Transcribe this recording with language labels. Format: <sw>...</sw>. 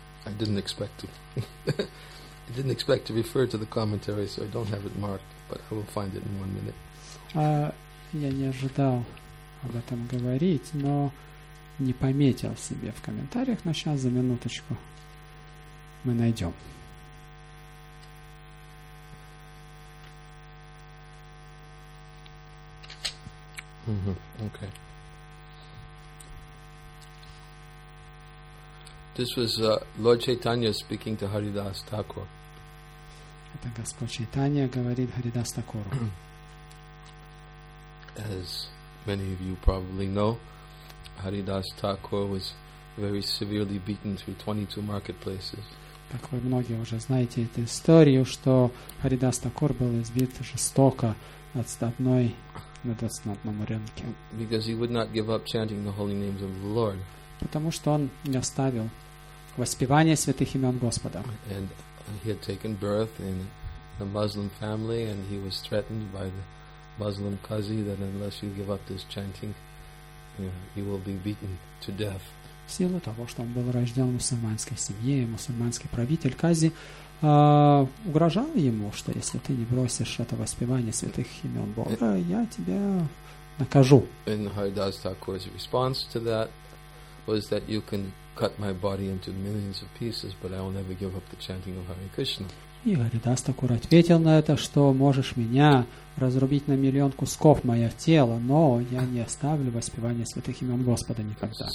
<en>I didn't expect to refer to the commentary, so I don't have it marked, but I will find it in 1 minute.</en> <ru>Я не ожидал об этом говорить, но не пометил себе в комментариях, но сейчас за минуточку мы найдем.</ru> <en>Okay. This was Lord Chaitanya speaking to Haridas Thakur.</en> <ru>Это Господь Чайтанья говорит Харидас Такуру.</ru> <en>As many of you probably know, Haridas Thakur was very severely beaten through 22 marketplaces.</en> <ru>Как вы многие уже знаете эту историю, что Харидас Такур был избит жестоко на 21 рынке.</ru> <en>Because he would not give up chanting the holy names of the Lord.</en> <ru>Потому что он не оставил воспевание святых имен Господа.</ru> <en>And he had taken birth in a Muslim family, and he was threatened by the Muslim qazi that unless you give up this chanting, you will be beaten to death.</en> <ru>В силу того, что он был рожден в мусульманской семье, мусульманский правитель кази угрожал ему, что если ты не бросишь это воспевание святых имен Бога, я тебя накажу.</ru> <en>And Haridas Thakur's response to that was that you can cut my body into millions of pieces, but I will never give up the chanting of Hare Krishna.</en> <ru>И Харидас Такур ответил на это, что можешь меня разрубить на миллион кусков мое тело, но я не оставлю воспевание святых имен Господа никогда.</ru>